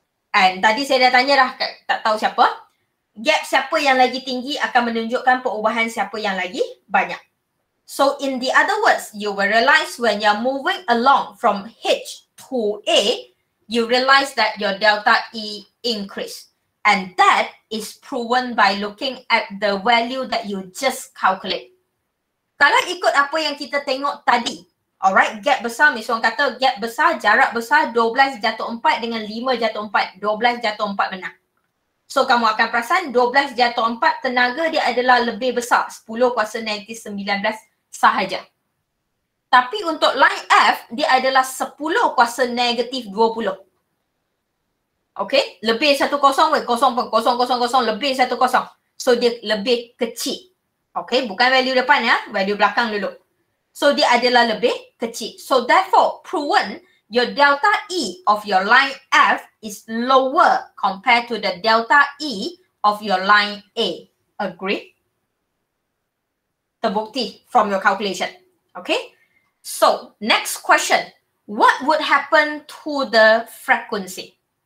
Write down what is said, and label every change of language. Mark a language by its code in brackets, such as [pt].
[ms] And tadi saya dah tanya dah, tak tahu siapa. Gap siapa yang lagi tinggi akan menunjukkan perubahan siapa yang lagi banyak. [en] So in the other words, you will realize when you're moving along from H to A, you realize that your delta E increase. And that is proven by looking at the value that you just calculate. [ms] Kalau ikut apa yang kita tengok tadi, alright, gap besar, misalnya orang kata gap besar, jarak besar 12 jatuh 4 dengan 5 jatuh 4, 12 jatuh 4 menang. So kamu akan perasan 12 jatuh 4 tenaga dia adalah lebih besar, 10 kuasa negatif 19 sahaja. Tapi untuk line F, dia adalah 10 kuasa negatif 20. Okay, lebih 1 kosong, weh, kosong pun, kosong, kosong, kosong, lebih 1 kosong. So dia lebih kecil. Okay, bukan value depan ya, value belakang dulu. So dia adalah lebih kecil. [en] So therefore, proven your delta E of your line F is lower compared to the delta E of your line A. Agree? Terbukti from your calculation. Okay? So, next question. What would happen to the frequency?